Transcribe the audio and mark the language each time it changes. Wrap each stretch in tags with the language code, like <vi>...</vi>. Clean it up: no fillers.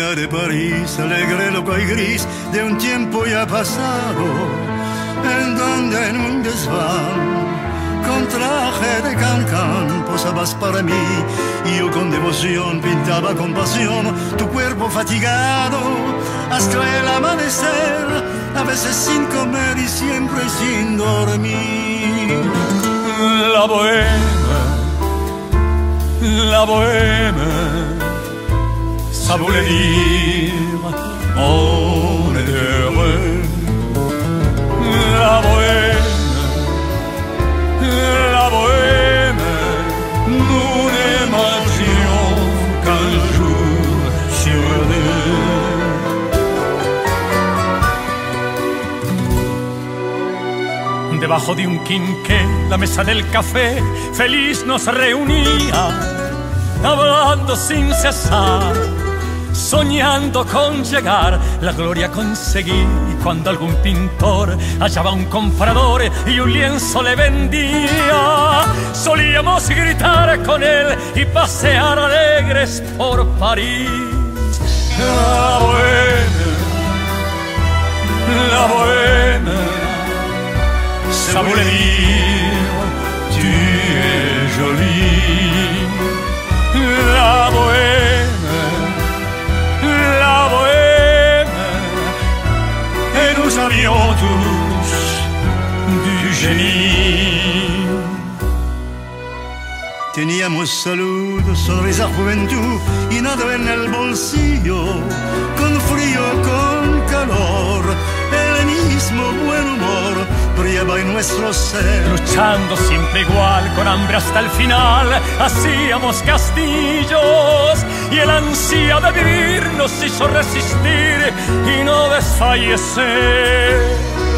<es>feliz, alegre, loco y gris de un tiempo ya pasado, en donde en un desván con traje de cancán posabas para mí, y yo con devoción pintaba con pasión tu cuerpo fatigado hasta el amanecer, a veces sin comer y siempre sin dormir.</es> <fr>La bohème, la bohème, ça voulait dire on est heureux. La bohème, la bohème, nous n'aimerions qu'un jour sur deux.</fr> <es>Debajo de un quinqué, la mesa del café, feliz nos reunía, hablando sin cesar, soñando con llegar. La gloria conseguí cuando algún pintor hallaba un comprador y un lienzo le vendía. Solíamos gritar con él y pasear alegres por París.</es> <fr>La bohème, la bohème, ça voulait dire tu es jolie. La bohème, la bohème, et nous avions tous du génie.</fr> <es>Teníamos salud sobre esa juventud y nada en el bolsillo, con frío, con calor, el mismo buen humor brillaba en nuestro ser. Luchando siempre igual, con hambre hasta el final, hacíamos castillos, y el ansia de vivir nos hizo resistir y no desfallecer.</es>